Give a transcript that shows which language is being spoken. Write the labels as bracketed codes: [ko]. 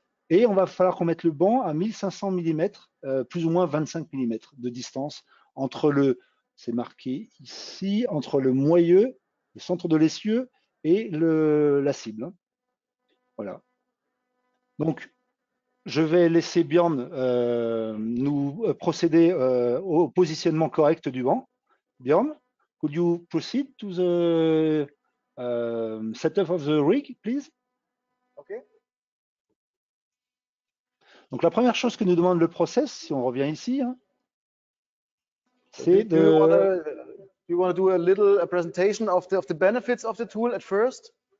[fr] Et on va falloir qu'on mette le banc à 1500 mm, plus ou moins 25 mm de distance entre c'est marqué ici, entre le moyeu, le centre de l'essieu et la cible. Voilà. Donc, je vais laisser Bjorn nous procéder au positionnement correct du banc. [en] Bjorn, could you proceed to the setup of the rig, please? [fr] Donc, la première chose que nous demande le process, si on revient ici, hein, c'est de. [en] Do you want to do a little presentation of the benefits of the tool at first?